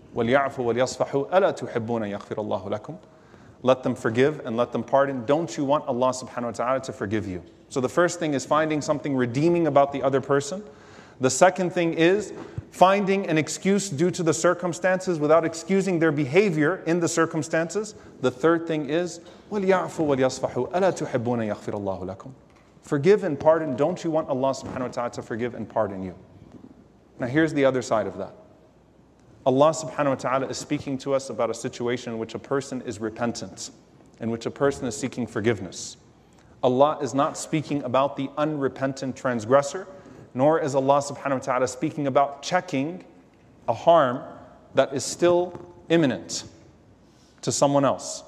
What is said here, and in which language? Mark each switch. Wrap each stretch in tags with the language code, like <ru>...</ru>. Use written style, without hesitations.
<ar>وَلْيَعْفُوا وَلْيَصْفَحُوا أَلَا تُحِبُّونَ يَغْفِرَ اللَّهُ لَكُمْ.</ar> <en>Let them forgive and let them pardon. Don't you want Allah subhanahu wa ta'ala to forgive you? So the first thing is finding something redeeming about the other person. The second thing is finding an excuse due to the circumstances without excusing their behavior in the circumstances. The third thing is</en> <ar>وَلْيَعْفُوا وَلْيَصْفَحُوا أَلَا تُحِبُّونَ يَغْفِرَ اللَّهُ لَكُمْ.</ar> <en>Forgive and pardon. Don't you want Allah subhanahu wa ta'ala to forgive and pardon you? Now here's the other side of that. Allah subhanahu wa ta'ala is speaking to us about a situation in which a person is repentant, in which a person is seeking forgiveness. Allah is not speaking about the unrepentant transgressor, nor is Allah subhanahu wa ta'ala speaking about checking a harm that is still imminent to someone else.</en>